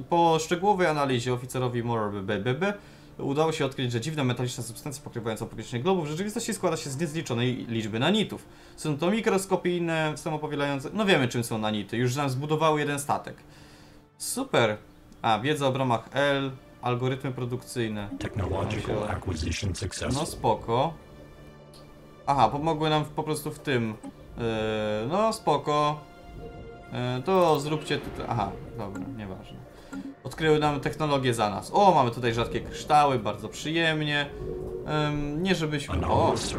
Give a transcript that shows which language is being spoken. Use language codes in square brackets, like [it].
[pl] Po szczegółowej analizie oficerowi Morby BBB udało się odkryć, że dziwna metaliczna substancja pokrywająca powierzchnię globu w rzeczywistości składa się z niezliczonej liczby nanitów. Są to mikroskopijne, samopowielające... No wiemy, czym są nanity. Już nam zbudowały jeden statek. Super. A, wiedza o bramach L. Algorytmy produkcyjne. [en] Technological acquisition successful. [pl] No spoko. Aha, pomogły nam po prostu w tym. No spoko. To zróbcie tutaj. Aha, dobra, nieważne. Odkryły nam technologię za nas. O, mamy tutaj rzadkie kryształy, bardzo przyjemnie. Nie żebyśmy. O!